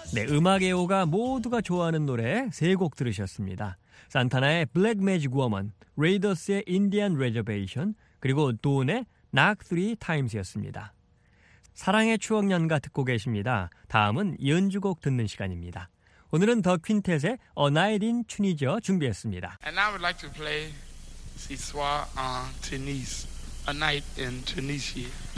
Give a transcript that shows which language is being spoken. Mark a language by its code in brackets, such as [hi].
[ko] 음악 애호가 모두가 좋아하는 노래 세 곡 들으셨습니다. 산타나의 Black Magic Woman, 레이더스의 Indian Reservation, 그리고 돈의 Knock Three Times였습니다. 사랑의 추억연가 듣고 계십니다. 다음은 연주곡 듣는 시간입니다. 오늘은 더 퀸텟의 A Night in Tunisia 준비했습니다. [en] And I would like to play Soir en Tunis, A Night in Tunisia.